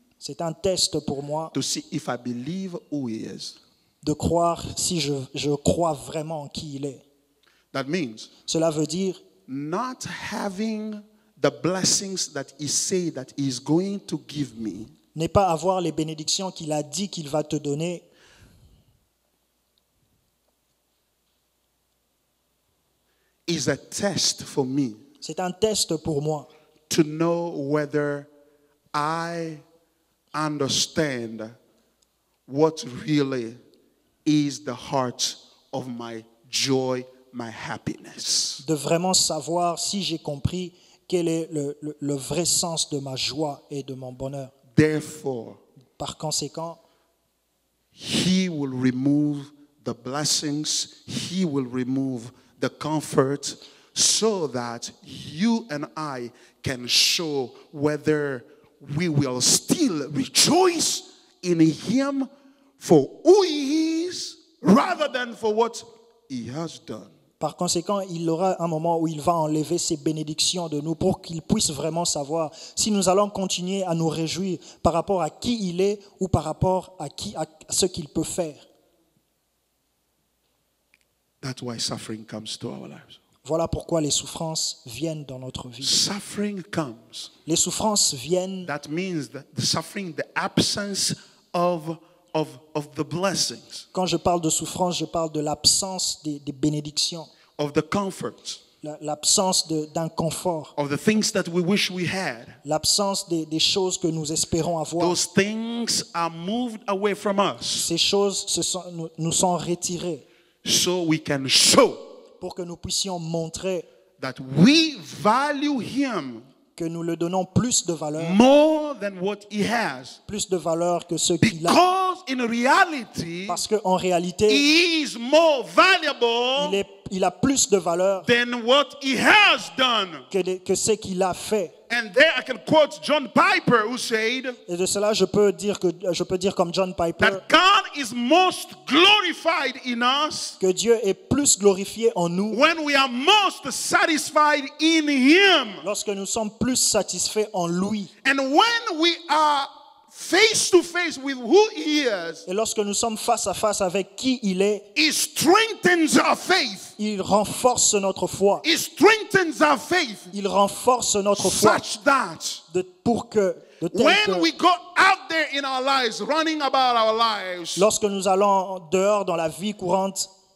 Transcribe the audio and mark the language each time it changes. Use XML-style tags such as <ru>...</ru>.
<fr>c'est un test pour moi,</fr> <en>to see if I believe who he is,</en> <fr>de croire si je crois vraiment qui il est.</fr> <en>That means,</en> <fr>cela veut dire,</fr> <en>not having the blessings that he said that he is going to give me,</en> <fr>n'est pas avoir les bénédictions qu'il a dit qu'il va te donner.</fr> <en>Is a test for me.</en> <fr>C'est un test pour moi.</fr> <en>To know whether I understand what really is the heart of my joy, my happiness.</en> <fr>De vraiment savoir si j'ai compris quel est le vrai sens de ma joie et de mon bonheur.</fr> <en>Therefore,</en> <fr>par conséquent,</fr> <en>he will remove the blessings, he will remove the comfort, so that you and I can show whether we will still rejoice in him for who he is rather than for what he has done.</en> <fr>Par conséquent, il aura un moment où il va enlever ses bénédictions de nous pour qu'il puisse vraiment savoir si nous allons continuer à nous réjouir par rapport à qui il est ou par rapport à ce qu'il peut faire.</fr> <en>That's why suffering comes to our lives.</en> <fr>Voilà pourquoi les souffrances viennent dans notre vie.</fr> <en>Suffering comes.</en> <fr>Les souffrances viennent.</fr> <en>That means that the suffering, the absence of the blessings.</en> <fr>Quand je parle de souffrance, je parle de l'absence des bénédictions.</fr> <en>Of the comfort.</en> <fr>L'absence d'un confort.</fr> <en>Of the things that we wish we had.</en> <fr>L'absence des choses que nous espérons avoir.</fr> <en>Those things are moved away from us.</en> <fr>Ces choses nous sont retirées.</fr> <en>So we can show,</en> <fr>pour que nous puissions montrer,</fr> <en>that we value him,</en> <fr>que nous le donnons plus de valeur,</fr> <en>more than what he has,</en> <fr>plus de valeur que ce qu'il a,</fr> <en>because in reality,</en> <fr>parce que en réalité,</fr> <en>he is more valuable,</en> <fr>il a plus de valeur,</fr> <en>than what he has done,</en> <fr>que ce qu'il a fait.</fr> <en>And there I can quote John Piper, who said,</en> <fr>et de cela je peux dire comme John Piper,</fr> <en>that God is most glorified in us,</en> <fr>que Dieu est plus glorifié en nous,</fr> <en>when we are most satisfied in him,</en> <fr>lorsque nous sommes plus satisfaits en lui,</fr> <en>and when we are face to face with who he is,</en> <fr>et lorsque nous sommes face à face avec qui il est,</fr> <en>he strengthens our faith.</en> <fr>Il renforce notre foi.</fr> <en>He strengthens our faith.</en> <fr>Il renforce notre foi.</fr> <en>Such that</en> <fr>pour que</fr> <en>when we go out there in our lives, running about our lives,</en> <fr>lorsque nous allons dehors dans la vie courante,</fr>